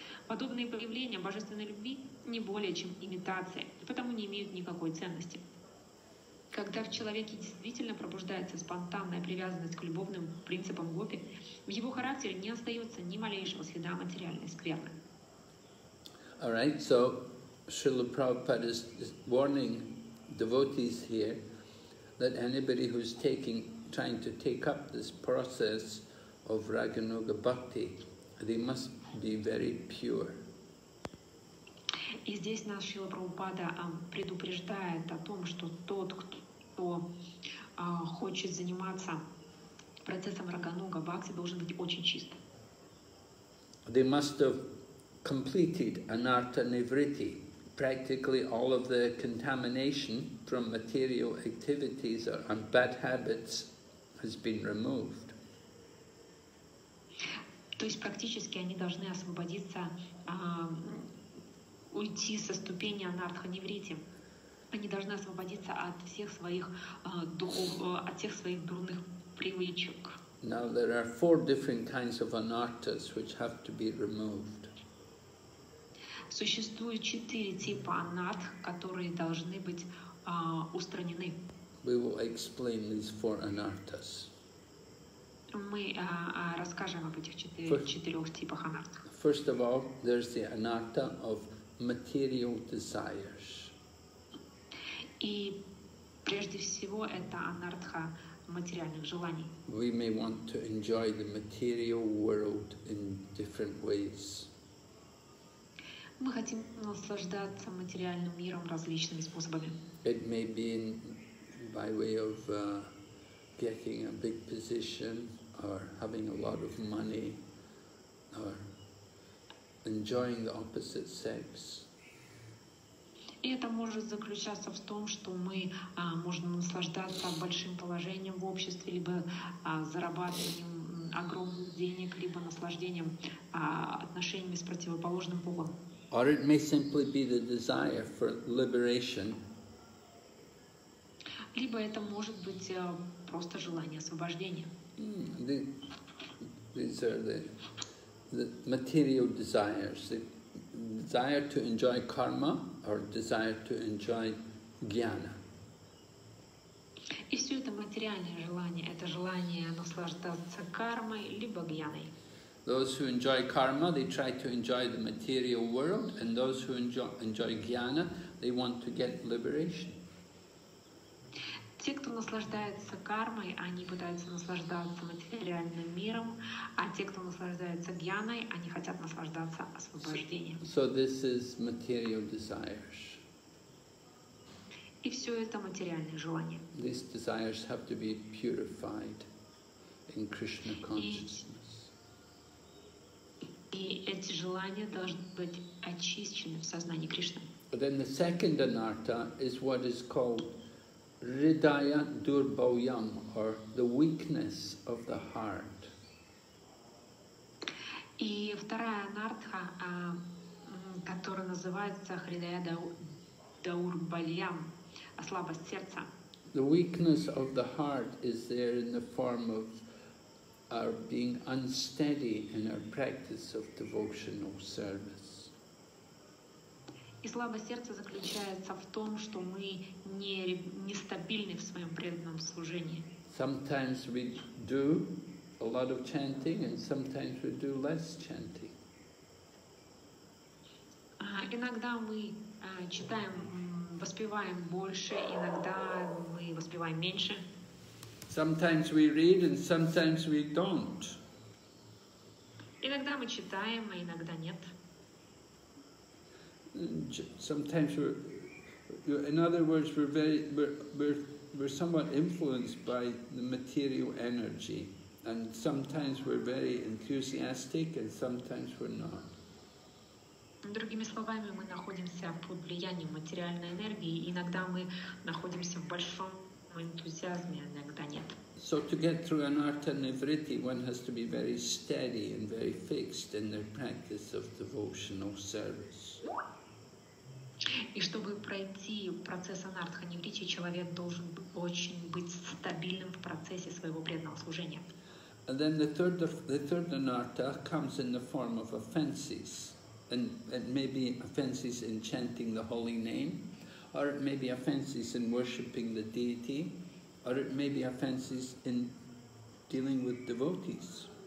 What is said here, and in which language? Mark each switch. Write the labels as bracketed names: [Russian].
[Russian] Подобные проявления божественной любви не более чем имитация, и потому не имеют никакой ценности. Когда в человеке действительно пробуждается спонтанная привязанность к любовным принципам Гопи, в его характере не остается ни малейшего следа материальной скверны. [English] All right, so Srila Prabhupada is warning devotees here that anybody who's trying to take up this process of Raganuga Bhakti, they must be very pure. [Russian] И здесь нас Шрила Прабхупада предупреждает о том, что тот, кто хочет заниматься процессом Рагануга Бхакти, должен быть очень чист. [English] They must have completed anartha nivritti. Practically all of the contamination from material activities or and bad habits has been removed. [Russian] То есть практически они должны освободиться, уйти со ступени анартха нивритти. Они должны освободиться от всех своих от всех своих дурных привычек. [English] Now there are four different kinds of anarthas which have to be removed. [Russian] Существует четыре типа анартх, которые должны быть устранены. [English] We will explain these four anarthas. [Russian] Мы расскажем об этих четырех типах анартх. [English] First of all, there's the anartha of material desires. [Russian] И прежде всего это анартха материальных желаний. [English] We may want to enjoy the material world in different ways. [Russian] Мы хотим наслаждаться материальным миром различными способами. [English] It may be in, by way of getting a big position or having a lot of money or enjoying the opposite sex. [Russian] И это может заключаться в том, что мы можем наслаждаться большим положением в обществе, либо зарабатыванием огромных денег, либо наслаждением отношениями с противоположным полом. [English] Or it may simply be the desire for liberation. [Russian] Либо это может быть просто желание освобождения. [English] These are the material desires. The desire to enjoy karma or desire to enjoy jnana. [Russian] И все это материальное желание. Это желание наслаждаться кармой либо гьяной. [English] Those who enjoy karma, they try to enjoy the material world, and those who enjoy jnana, They want to get liberation. [Russian] Те, кто наслаждается кармой, они пытаются наслаждаться материальным миром, а те, кто наслаждается гьяной, они хотят наслаждаться освобождением. [English] So this is material desires. [Russian] И все это материальные желания. [English] These desires have to be purified in Krishna consciousness. [Russian] И эти желания должны быть очищены в сознании Кришны. [English] But then the second anartha is what is called Ridaya Durbhoyam, or the weakness of the heart. [Russian] И вторая анартха, которая называется Хридая Даурбальям, слабость сердца. [English] The weakness of the heart is there in the form of our being unsteady in our practice of devotional service. [Russian] И слабость сердца заключается в том, что мы нестабильны в своем преданном служении. [English] Sometimes we do a lot of chanting, and sometimes we do less chanting. [Russian] Иногда мы читаем, воспеваем больше, иногда мы воспеваем меньше. [English] Sometimes we read, and sometimes we don't. [Russian] Иногда мы читаем, а иногда нет. [English] Sometimes we're, in other words, we're somewhat influenced by the material energy, and sometimes we're very enthusiastic, and sometimes we're not. [Russian] Другими словами, мы находимся под влиянием материальной энергии. Иногда мы находимся в большом энтузиазме, иногда нет. [English] So to get through anartha nivritti, one has to be very steady and very fixed in their practice of devotional service. [Russian] И чтобы пройти процесс анартха нивритти, человек должен очень быть стабильным в процессе своего преданного служения. [English] And then the third anartha comes in the form of offenses, and it may be offenses in chanting the holy name, or it may be offenses in worshipping the deity, or it may be offenses in dealing with devotees.